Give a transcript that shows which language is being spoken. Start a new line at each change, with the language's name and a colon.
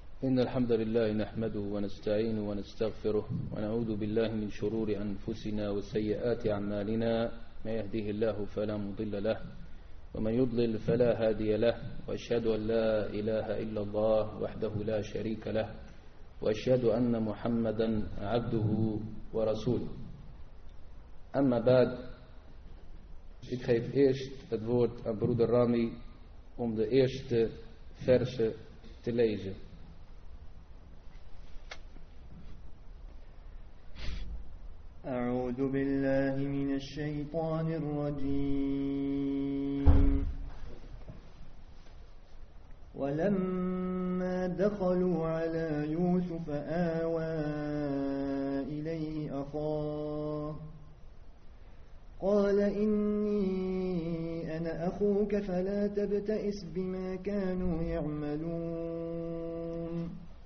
Arabic: إن الحمد لله نحمده ونستعينه ونستغفره ونعوذ بالله من شرور أنفسنا وسيئات أعمالنا، ما يهديه الله فلا مضل له ومن يضلل فلا هادي له، وأشهد أن لا إله إلا الله وحده لا شريك له، وأشهد أن محمدا عبده ورسوله. أما بعد،
Dutch: ik geef eerst het woord aan broeder Rami om de eerste verse te lezen.
Arabic: أعوذ بالله من الشيطان الرجيم. ولما دخلوا على يوسف آوى إليه أخاه قال إني أنا أخوك فلا تبتئس بما كانوا يعملون.